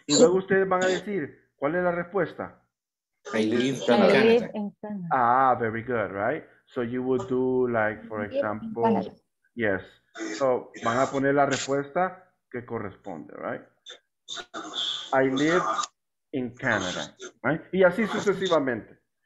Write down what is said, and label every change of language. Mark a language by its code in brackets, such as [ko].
[es] Y luego ustedes van a decir, ¿cuál es la respuesta? [en] I live in Canada. Ah, very good, right? So you would do like, for example, yes. [es] So van a poner la respuesta que corresponde, right? [en] I live in Canada, right? [es] Y así sucesivamente.